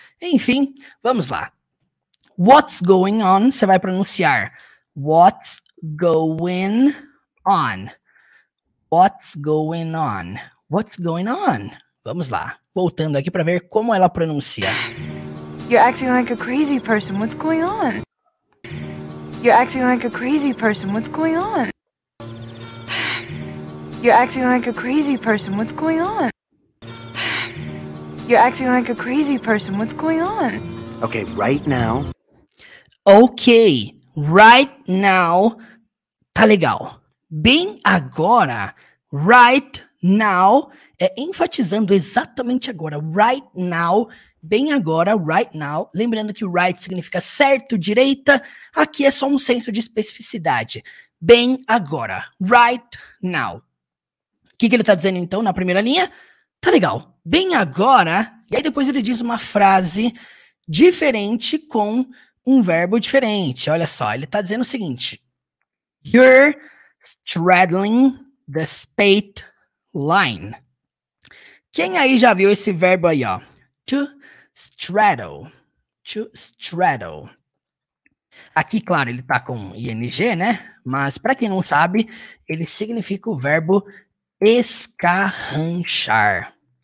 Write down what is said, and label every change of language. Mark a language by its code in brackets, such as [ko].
[pt] Enfim, vamos lá. [en] What's going on? [pt] Você vai pronunciar. [en] What's going on? What's going on? What's going on? [pt] Vamos lá. Voltando aqui para ver como ela pronuncia. [en] You're acting like a crazy person. What's going on? You're acting like a crazy person. What's going on? You're acting like a crazy person. What's going on? You're acting like a crazy person. What's going on? Okay, right now. Okay, right now, [pt] tá legal. Bem agora, [en] right now, [pt] é enfatizando exatamente agora. [en] Right now, [pt] bem agora, [en] right now. [pt] Lembrando que right significa certo, direita. Aqui é só um senso de especificidade. Bem agora, [en] right now. [pt] O que ele tá dizendo então na primeira linha? Tá legal. Bem agora, e aí depois ele diz uma frase diferente com um verbo diferente. Olha só, ele tá dizendo o seguinte. [en] You're straddling the state line. [pt] Quem aí já viu esse verbo aí, ó? To straddle. To straddle. Aqui, claro, ele tá com ing, né? Mas pra quem não sabe, ele significa o verbo escarranchar.